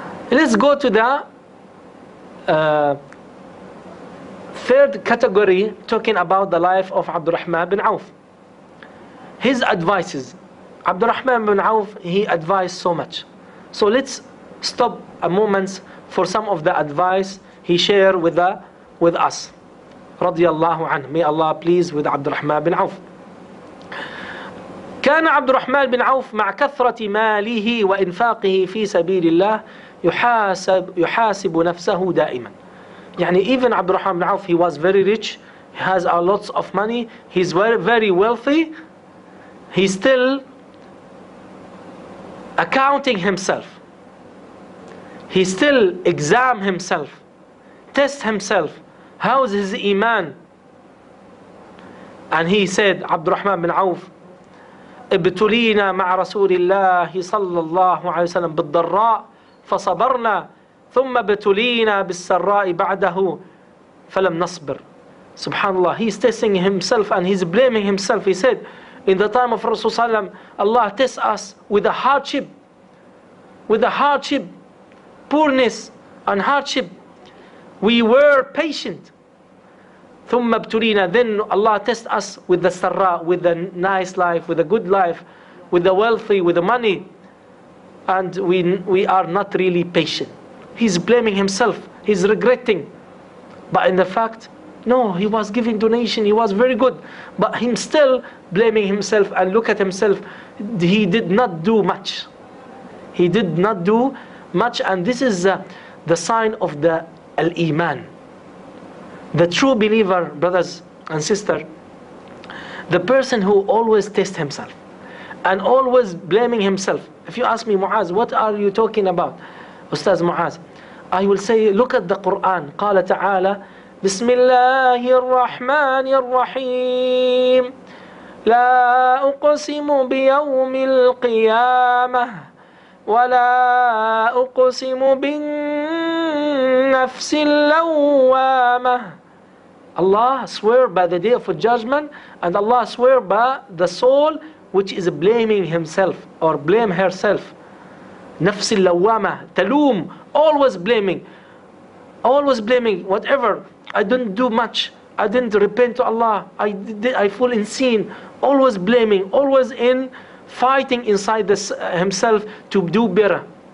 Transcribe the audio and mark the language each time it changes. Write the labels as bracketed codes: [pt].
[en] Let's go to the third category, talking about the life of Abdurrahman bin Auf. His advices. Abdurrahman bin Auf, he advised so much. So let's stop a moment for some of the advice he shared with us. Radiyallahu anhu. May Allah please with Abdurrahman bin Auf. [ar] كان عبد الرحمن بن عوف مع كثرة ماله وإنفاقه في سبيل الله يحاسب نفسه دائما. يعني [en] even عبد الرحمن بن عوف, he was very rich, he has a lots of money, he's very, very wealthy, he still accounting himself, he still exam himself, test himself, how's his iman. And he said, [ar] عبد الرحمن بن عوف, ابتلينا مع رسول الله صلى الله عليه وسلم بالضراء فصبرنا ثم ابتلينا بالسراء بعده فلم نصبر. سبحان الله, [en] he's testing himself and he's blaming himself. He said, in the time of Rasul Salam, Allah test us with a hardship, with a hardship, poorness and hardship. We were patient. [ar] ثم ابتلينا, [en] then Allah test us with the sarra, with the nice life, with a good life, with the wealthy, with the money, and we are not really patient. He's blaming himself, he's regretting. But in the fact, no, he was giving donation, he was very good, but him still blaming himself. And look at himself, he did not do much, he did not do much. And this is the sign of the al-iman. The true believer, brothers and sisters, the person who always tests himself and always blaming himself. If you ask me, Muaz, what are you talking about, Ustaz Muaz? I will say, look at the Quran. [ar] قال تعالى بسم الله الرحمن الرحيم لا أقسم بيوم القيامة ولا أقسم بالنفس اللوامة. [en] Allah swear by the day of judgment, and Allah swear by the soul which is blaming himself or blame herself. [ar] نفس اللوامة, تلوم, [en] always blaming, whatever. I didn't do much, I didn't repent to Allah, I fall in sin, always blaming, always in fighting inside this, himself to do better.